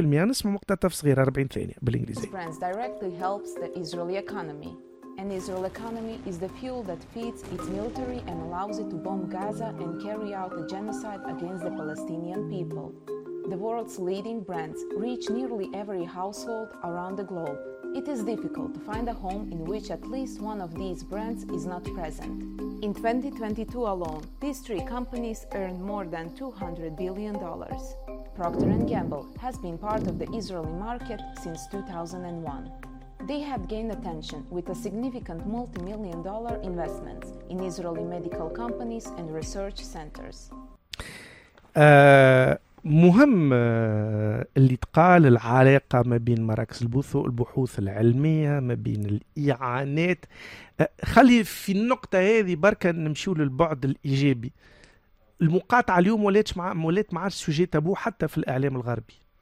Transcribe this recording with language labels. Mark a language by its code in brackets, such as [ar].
[ar] نسمع مقتطف صغير 40 ثانية بالإنجليزية. [en] This brand directly helps the Israeli economy. And Israel economy is the fuel that feeds its military and allows it to bomb Gaza and carry out a genocide against the Palestinian people. The world's leading brands reach nearly every household around the globe. It is difficult to find a home in which at least one of these brands is not present. In 2022 alone, these three companies earned more than $200 billion. Procter & Gamble has been part of the Israeli market since 2001. They have gained attention with a significant multi-million dollar investment in Israeli medical companies and research centers. [ar] مهم اللي تقال العلاقة ما بين مراكز البحوث العلمية ما بين الإعانات. خلي في النقطة هذه بركة نمشيو للبعد الإيجابي. المقاطعة اليوم مولات مع سوجي تابو حتى في الإعلام الغربي.